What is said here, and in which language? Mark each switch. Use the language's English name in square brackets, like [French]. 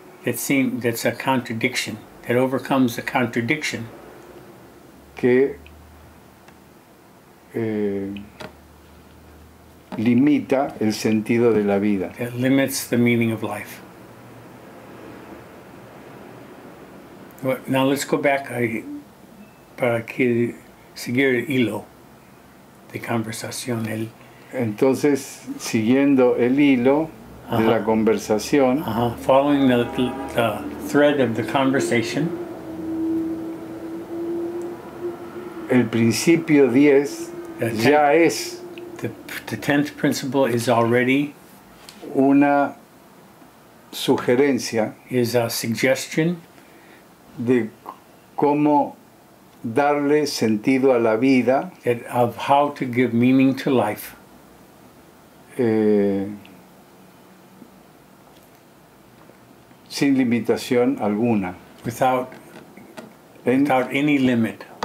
[English] That's a contradiction, that overcomes a contradiction. [Spanish] Que limita el sentido de la vida. [English] That limits the meaning of life. Now let's go back [Spanish] para que seguir el hilo de conversación. Entonces, siguiendo el hilo de la conversación, [English] following the thread of the conversation, [Spanish] el principio 10 ya es [English] the tenth principle is already [Spanish] una sugerencia, [English] is a suggestion [Spanish] de cómo darle sentido a la vida, [English] of how to give meaning to life, [Spanish] sin limitación alguna, [English] without any limit,